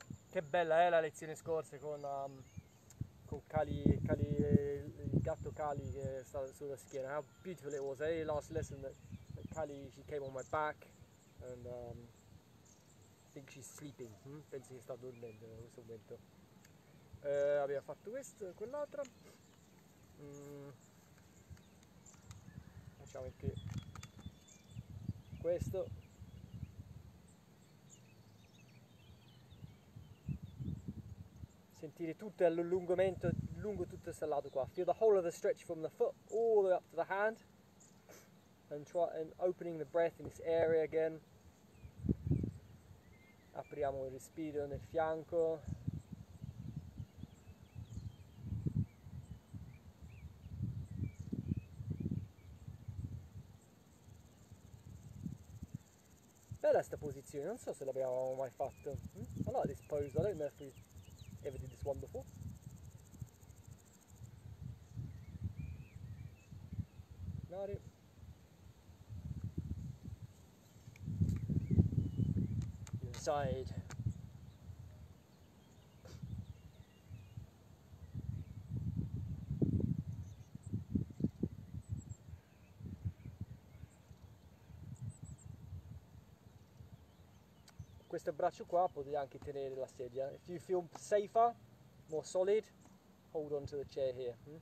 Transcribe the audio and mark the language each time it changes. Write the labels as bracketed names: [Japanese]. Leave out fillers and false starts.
[Italian] Che bella è la lezione scorsa con il gatto Cali che sta sulla schiena. [English] How beautiful it was. Hey, last lesson that Cali, she came on my back and I think she's sleeping. [Italian] Penso che sta dormendo in questo momento. Abbiamo fatto questo e quell'altra. Facciamo anche questo. Sentire tutto l'allungamento lungo tutto questo lato qua. [English] Feel the whole of the stretch from the foot all the way up to the hand. And try and opening the breath in this area again. [Italian] Apriamo il respiro nel fianco. Bella sta posizione, non so se l'abbiamo mai fatto. [English] I like this pose, I don't know if we ever did this one before. Got it. Side. [Italian] Questo braccio qua potete anche tenere la sedia. [English] If you feel safer, more solid, hold on to the chair here.